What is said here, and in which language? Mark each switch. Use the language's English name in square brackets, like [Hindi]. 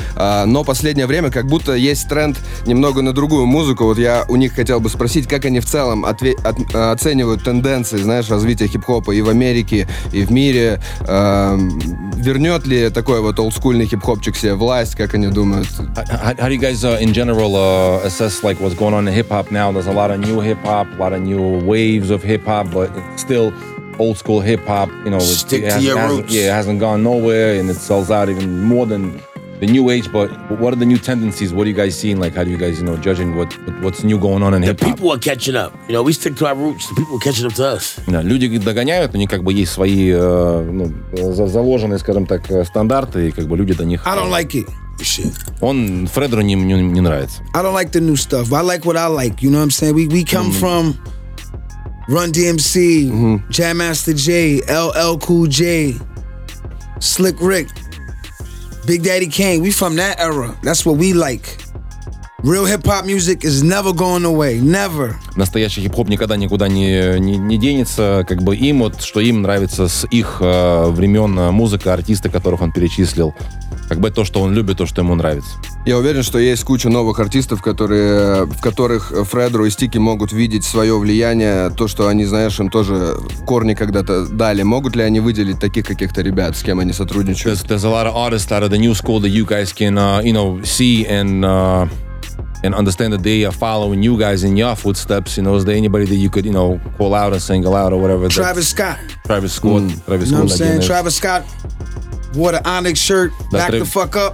[Russian] Но последнее время как будто есть тренд немного на другую музыку. Вот я у них хотел бы спросить, как они в целом оценивают тенденции, знаешь, развития хип-хопа и в Америке, и в мире. Вернет ли такой вот олдскульный хип-хопчик себе власть, как они думают? [English] How do you guys in general assess like what's going on in hip-hop now? There's a lot of new hip-hop, a lot of new waves of hip-hop, but it's still old-school hip-hop. You know, Stick to your roots. Yeah, it hasn't gone nowhere, and it sells out even more than the new age. But what are the new tendencies? What are you guys seeing? Like, how do you guys, you know, judging what's new going on in hip-hop? The people are catching up. You know, we stick to our roots. The people are catching up to us. [Russian] Yeah, люди догоняют, у них как бы есть свои, ну, заложенные, скажем так, стандарты, и как бы люди до них... [English] I don't like it. [Russian] Он Фредеру не нравится. [English] I don't like the new stuff. I like what I like. You know what I'm saying? We come from Run DMC, Jam Master J, LL Cool J, Slick Rick. Big Daddy Kane, we from that era. That's what we like. Real hip-hop music is never going away. Never. [Russian] Настоящий хип-хоп никогда никуда не денется. Как бы им вот, что им нравится с их времен музыка, артисты, которых он перечислил. Как бы то, что он любит, то, что ему нравится. Я уверен, что есть куча новых артистов, которые, в которых Фредро и Стики могут видеть свое влияние, то, что они, знаешь, им тоже корни когда-то дали. Могут ли они выделить таких каких-то ребят, с кем они сотрудничают? [English] There's a lot of artists out of the new school that you guys can, you know, see and understand that they are following you guys in your footsteps. You know, is there anybody that you could, you know, call out or single out or whatever? Travis Scott. Travis Scott. Travis Scott. You know what I'm saying? Travis Scott. Wore an Onyx shirt, да, back the fuck up.